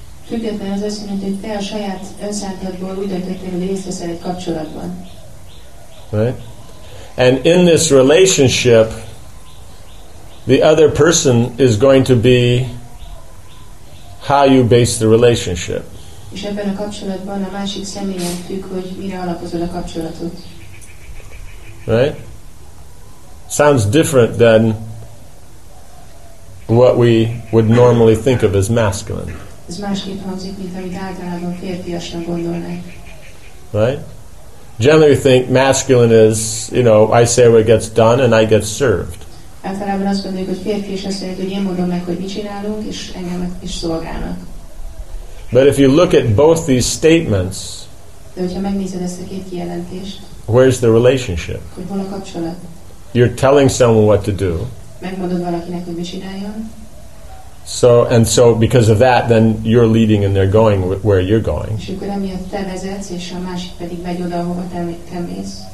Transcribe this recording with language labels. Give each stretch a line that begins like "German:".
English: Right? And in this relationship, the other person is going to be how you base the relationship.
Hungarian: És ebben a kapcsolatban a másik személyen függ, hogy mire alapozod a kapcsolatot.
English: Right? Sounds different than what we would normally think of as masculine.
Hungarian: Ez másképp hangzik, mint amit általában férfiasnak gondolnánk.
English: Right? Generally we think masculine is, you know, I say what gets done and I get served.
Hungarian: Általában azt gondoljuk, hogy férfi, és azt mondjuk, hogy én mondom meg, hogy mit csinálunk, és engem is szolgálnak.
English: But if you look at both these statements,
Hungarian: de hogyha megnézed ezt a két kijelentést,
English: where's the relationship?
Hungarian: Hol a kapcsolat?
English: You're telling someone what to do.
Hungarian: Megmondod valakinek, hogy mit csináljon.
English: So, and so because of that, then you're leading and they're going where you're going.
Hungarian: És akkor emiatt te vezetsz, és a másik pedig megy oda, ahova te mész.